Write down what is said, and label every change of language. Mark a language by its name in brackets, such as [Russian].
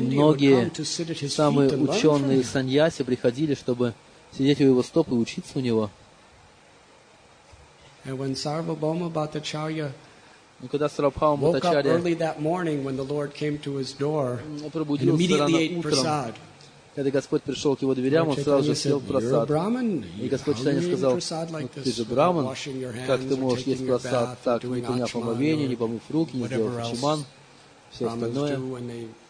[Russian] многие самые ученые саньяси приходили, чтобы сидеть у его стоп и учиться у него. И когда Сарвабхаума Бхаттачарья когда Сарвабхаума Бхаттачарья [English] early that morning when the Lord came to his door, and immediately ate prasad. [Russian] Когда Господь пришел к его дверям, он сразу же съел просад. И Господь Чайтанья сказал: ты же браман, как ты можешь есть просад, так не приняв омовение, не помыв руки, не сделав ачман, все остальное.